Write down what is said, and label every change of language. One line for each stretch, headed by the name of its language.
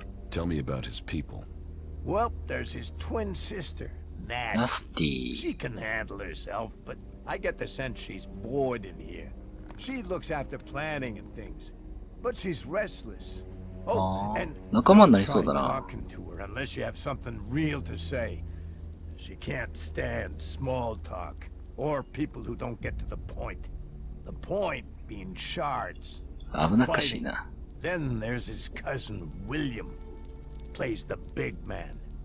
English: Tell me about his people. Well, there's his twin sister, Nasty. Nasty. She can handle herself, but I get the sense she's bored in here. She looks after planning and things, but she's restless. Oh, and
Japanese: 仲間になりそうだな。
English: Talking to her unless you have something real to say.She can't stand small talk or people who don't get to the point. The point being shards.
Japanese: 危なっかしいな。
English: Then there's his cousin William, plays the big man.